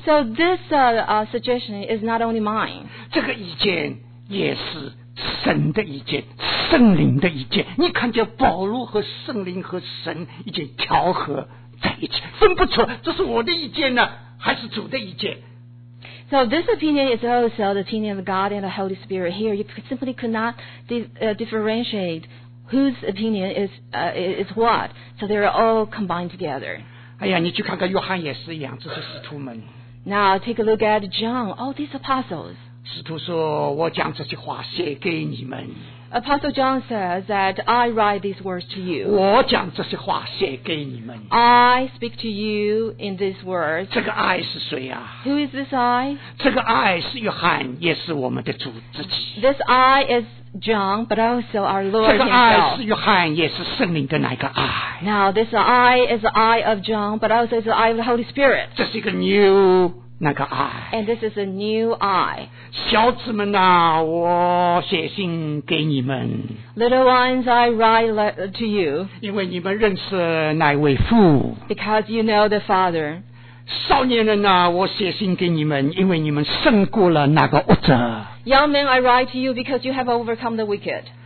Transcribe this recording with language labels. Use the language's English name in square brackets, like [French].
[English] So this suggestion is not only mine. [Chinese] 这个意见也是神的意见，圣灵的意见。你看见保罗和圣灵和神已经调和在一起，分不出这是我的意见呢，还是主的意见。 [English] So this opinion is also the opinion of God and the Holy Spirit. Here you simply could not differentiate whose opinion is what. So they are all combined together. [Chinese] 哎呀，你去看看约翰也是一样，这是使徒们。 [English] Now take a look at John, all these apostles. [Chinese] 使徒说，我讲这些话写给你们。 [English] Apostle John says that I write these words to you. [Chinese] 我讲这些话写给你们。 [English] I speak to you in these words. [Chinese] 这个I是谁啊？ [English] Who is this I? [Chinese] 这个I是约翰，也是我们的主自己。 [English] This I is John, but also our Lord himself. [Chinese] 这个I是约翰，也是圣灵的那个I。 [English] Now this I is the I of John, but also is the I of the Holy Spirit. [Chinese] 这是一个new那个I。 [English] And this is a new I. [Chinese] 小子们啊，我写信给你们。 [English] Little ones, I write to you. [Chinese] 因为你们认识那位父。 [English] Because you know the Father. [Chinese] 少年人啊，我写信给你们，因为你们胜过了那个恶者。 [English] Young men, I write to you because you have overcome the wicked.